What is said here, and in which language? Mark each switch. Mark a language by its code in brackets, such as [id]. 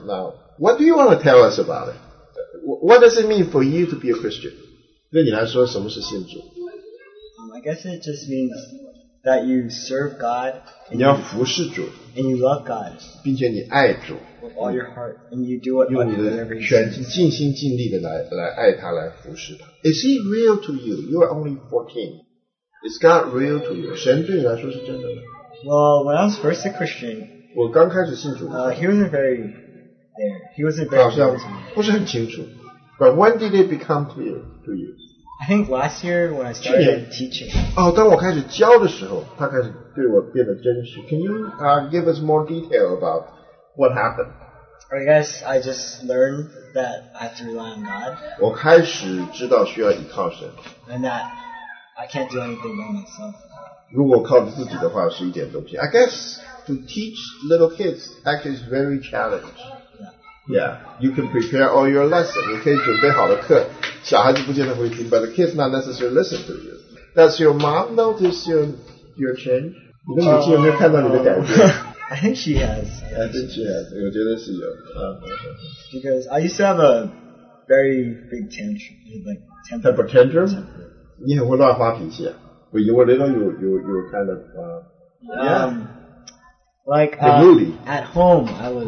[en] Now, what do you want to tell us about it? What does it mean for you to be a Christian? [zh] 对你来说，什么是信主？ [en] I guess it just means that you serve God. [zh] 你要服侍主。 [en] And you love God. [zh] 并且你爱主。 [en] With all your heart, and you do it under whatever you can. [zh] 用你的全心尽力的来爱他，来服侍他。 [en] Is he real to you? You are only 14. Is God real to you? [zh] 神对你来说是真的吗？ [en] Well, when I was first a Christian, [zh] 我刚开始信主。 [en] He wasn't very there. He wasn't very. [zh] 好像不是很清楚。 [en] But when did it become clear to you? I think last year when I started teaching. [zh] 当我开始教的时候，他开始对我变得真实。 [en] Can you give us more detail about what happened? I guess I just learned that I have to rely on God. [zh] 我开始知道需要依靠神。 [en] And that I can't do anything by myself. [zh] 如果靠着自己的话是一点东西。 [en] I guess to teach little kids actually is very challenging. Yeah, you can prepare all your lessons. [zh] 你可以准备好的课，小孩子不见得会听 [en] ，but the kids not necessarily listen to you. Does your mom notice your change? [zh] 你的母亲有没有看到你的改变？ [en] I think she has. I think she has. [zh] 我觉得是有。 [en] Because I used to have a very big temper tantrum. [zh] 你很会乱发脾气啊。 [en] But you were little, you were kind of, Like, at home, I was